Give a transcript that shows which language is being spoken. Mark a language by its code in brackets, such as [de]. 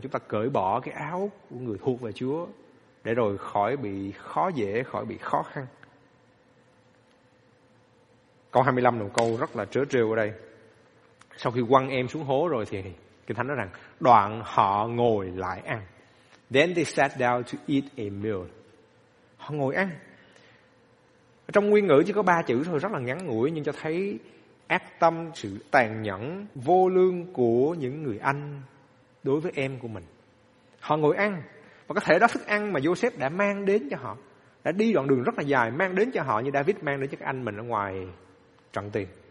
[vi] Chúng ta cởi bỏ cái áo của người thuộc về Chúa, để rồi khỏi bị khó dễ, khỏi bị khó khăn. Câu 25 là một câu rất là trớ trêu ở đây. Sau khi quăng em xuống hố rồi thì Kinh Thánh nói rằng đoạn họ ngồi lại ăn. [en] Then they sat down to eat a meal. [vi] Họ ngồi ăn. Trong nguyên ngữ chỉ có 3 chữ thôi, rất là ngắn ngủi, nhưng cho thấy ác tâm, sự tàn nhẫn, vô lương của những người anh đối với em của mình. Họ ngồi ăn, và có thể đó thức ăn mà Joseph đã mang đến cho họ, đã đi đoạn đường rất là dài mang đến cho họ, như David mang đến cho các anh mình ở ngoài trận tiền.